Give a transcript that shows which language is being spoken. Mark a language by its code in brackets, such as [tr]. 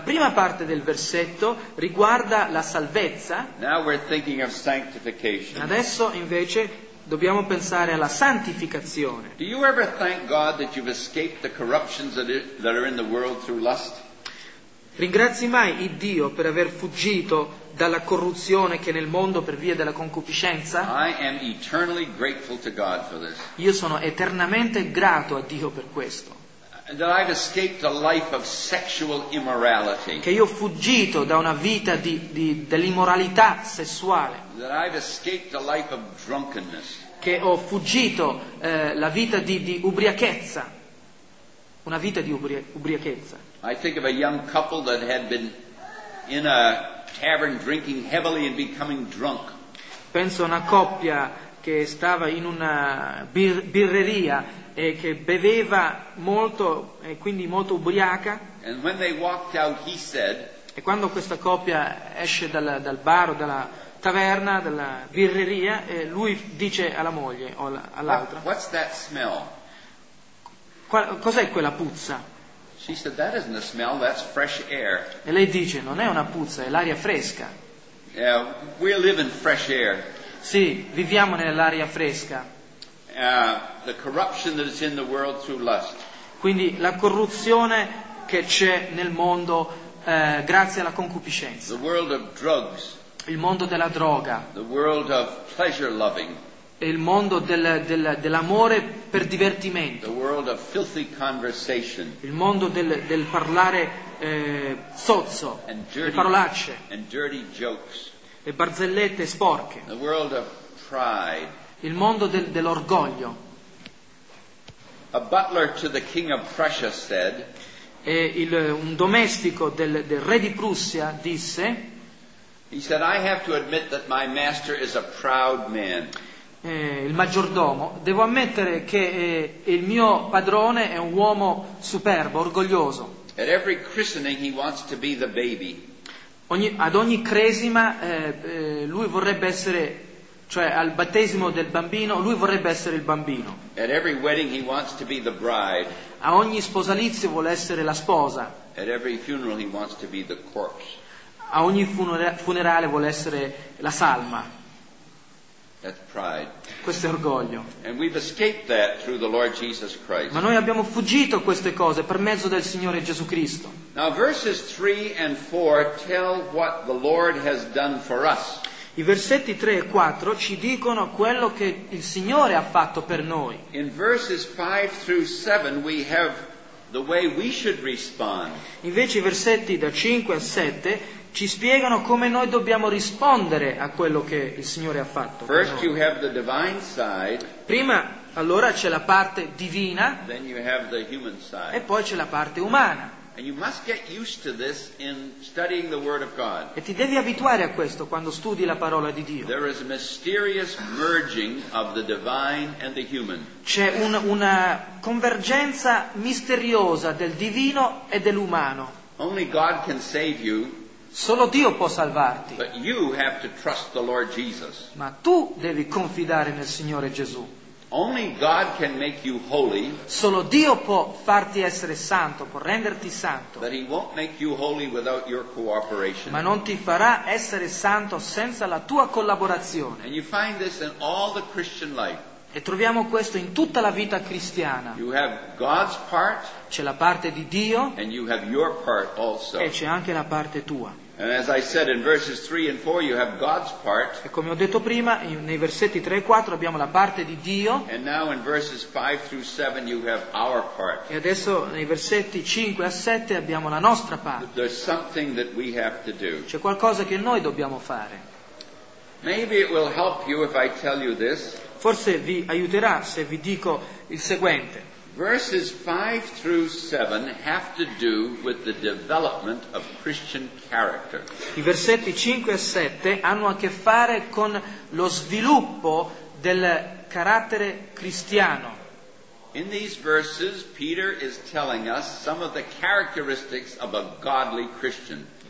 [it] prima parte del versetto riguarda la salvezza. [en] Now we're thinking of sanctification. [it] Adesso invece dobbiamo pensare alla santificazione. [en] Do you ever thank God that you've escaped the corruptions that are in the world through lust? [it] Ringrazi mai il Dio per aver fuggito dalla corruzione che nel mondo per via della concupiscenza? [en] I am eternally grateful to God for this. [it] Io sono eternamente grato a Dio per questo. [en] That I've escaped a life of sexual immorality. [it] Che io ho fuggito da una vita di dell'immoralità sessuale. [en] That I've escaped a life of drunkenness. [it] Che ho fuggito la vita di ubriachezza. Una vita di ubriachezza. [en] I think of a young couple that had been in a tavern drinking heavily and becoming drunk. [it] Penso a una coppia che stava in una birreria e che beveva molto e quindi molto ubriaca. [en] And when they walked out, he said, [it] e quando questa coppia esce dal bar o dalla taverna, dalla birreria, lui dice alla moglie o all'altra, [en] what's that smell? [it] Cos'è quella puzza? [en] She said, that isn't a smell, that's fresh air. [it] E lei dice, non è una puzza, è l'aria fresca. [en] Yeah, we live in fresh air. [it] Sì, viviamo nell'aria fresca. [en] The corruption that is in the world through lust. [it] Quindi la corruzione che c'è nel mondo grazie alla concupiscenza. [en] The world of drugs. [it] Il mondo della droga. [en] The world of pleasure loving. [it] il mondo dell'amore per divertimento, [en] the world of filthy conversation, [it] il mondo del parlare sozzo, [en] and dirty, [it] le parolacce, [en] and dirty jokes, [it] le barzellette sporche, [en] the world of pride, [it] il mondo dell'orgoglio. [en] A butler to the king of Prussia said, [it] e un domestico del re di Prussia disse, [en] he said, I have to admit that my master is a proud man. [it] Il maggiordomo, devo ammettere che il mio padrone è un uomo superbo, orgoglioso. [en] At every christening he wants to be the baby. [it] Ad ogni cresima lui vorrebbe essere, cioè al battesimo del bambino, lui vorrebbe essere il bambino. [en] At every wedding he wants to be the bride. [it] A ogni sposalizio vuole essere la sposa. [en] At every funeral he wants to be the corpse. [it] A ogni funerale vuole essere la salma. [en] That's pride. [it] Questo è orgoglio. [en] And we've escaped that through the Lord Jesus Christ. [it] Ma noi abbiamo fuggito queste cose per mezzo del Signore Gesù Cristo. [en] Now verses 3 and 4 tell what the Lord has done for us. [it] I versetti 3 e 4 ci dicono quello che il Signore ha fatto per noi. [en] In verses 5 through 7 we have the way we should respond. [it] Invece i versetti da 5 a 7 ci spiegano come noi dobbiamo rispondere a quello che il Signore ha fatto. [en] First you have the divine side, [it] prima allora c'è la parte divina, [en] then you have the human side. [it] E poi c'è la parte umana. [en] And you must get used to this in studying the Word of God. [it] E ti devi abituare a questo quando studi la parola di Dio. [en] There is a mysterious merging of the divine and the human. [it] C'è una convergenza misteriosa del divino e dell'umano. [en] Only God can save you. [it] Solo Dio può salvarti. [en] But you have to trust the Lord Jesus. [it] Ma tu devi confidare nel Signore Gesù. [en] Only God can make you holy. [it] Solo Dio può farti essere santo, può renderti santo. [en] But he won't make you holy without your cooperation. [it] Ma non ti farà essere santo senza la tua collaborazione. [en] And you find this in all the Christian life. [it] E troviamo questo in tutta la vita cristiana. [en] You have God's part, [it] c'è la parte di Dio, [en] and you have your part also. [it] E c'è anche la parte tua. [en] And as I said in verses 3 and 4 you have God's part. [it] E come ho detto prima, nei versetti 3 e 4 abbiamo la parte di Dio. [en] And now in verses 5 through 7 you have our part. [it] E adesso nei versetti 5 a 7 abbiamo la nostra parte. [en] There's something that we have to do. [it] C'è qualcosa che noi dobbiamo fare. [en] Maybe it will help you if I tell you this. [it] Forse vi aiuterà se vi dico il seguente. [en] Verses 5 through 7 have to do with the development of Christian character. [it] I versetti 5 e 7 hanno a che fare con lo sviluppo del carattere cristiano. [en] In these verses Peter is telling us some of the characteristics of a godly Christian.